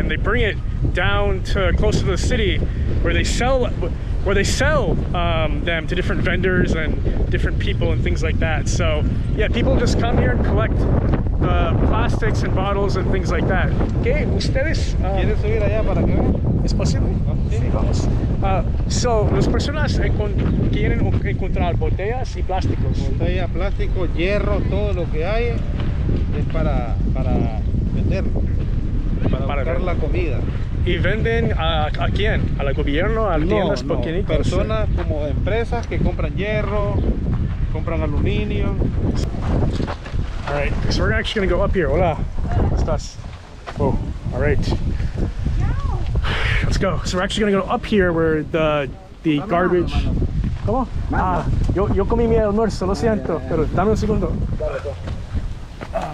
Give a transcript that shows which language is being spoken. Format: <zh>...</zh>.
<en>And they bring it down to close to the city where they sell them to different vendors and different people and things like that. So yeah, people just come here and collect the plastics and bottles and things like that.</en> <es>Okay, ustedes. ¿Quieres subir allá para que vean? ¿Es posible? Sí, vamos. So, las personas quieren encontrar botellas y plásticos. Botella, plástico, hierro, todo lo que hay es para vender, para buscar la comida. ¿Y venden a quién? ¿Al gobierno? ¿A tiendas pequeñitas? No, personas como empresas que compran hierro, compran aluminio.</es> <en>All right, so we're actually going to go up here.</en> <es>Hola. ¿Cómo estás?</es> <en>Oh, all right. Let's go. So we're actually going to go up here where the</en> <es>mano,</es> <en>garbage...</en> <es>Mano. ¿Cómo? Mano. Ah, yo comí mi almuerzo, lo siento.</es> <en>Yeah, yeah, yeah.</en> <es>Pero dame un segundo. Dale,</es>